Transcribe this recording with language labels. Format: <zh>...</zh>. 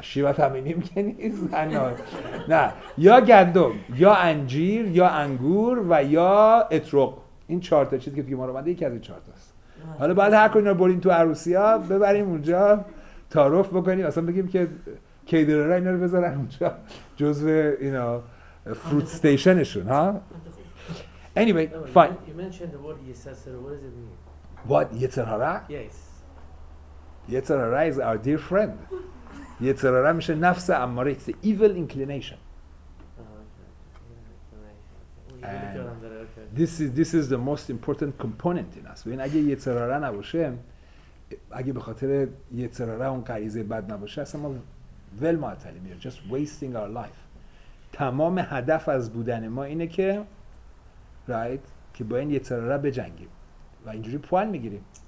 <fa>شیوه تمینی میگه نیست انار. نه، یا گندم، یا انجیر، یا انگور و یا اترق. این چهار تا چیزی که دیگه ما رو منده یکی از این چهار تاست. حالا بعد هر کدوم اینا رو برین تو عروسی ها ببریم اونجا تعارف بکنیم، اصلا بگیم که کیدرر اینا رو بذارن اونجا جزء اینا فروت استیشنشون ها.</fa> <en>Anyway, no, fine. You mentioned the word Yetzer Hara. What does it mean? What? Yetzer Hara? Yes. Yetzer Hara is our dear friend. Yetzer Hara means nafs amara. It's the evil inclination. Oh, okay. Evil inclination. Okay. This is the most important component in us.</en> <fa>When اگه Yetzer Hara نباشه، اگه به خاطر Yetzer Hara اون غریزه بد نباشه، اصلا ما ول معطلیم.</fa> <en>We're just wasting our life.</en> <fa>تمام هدف از بودن ما اینه که right که با این یتر را بجنگیم و اینجوری پوان میگیریم.</fa>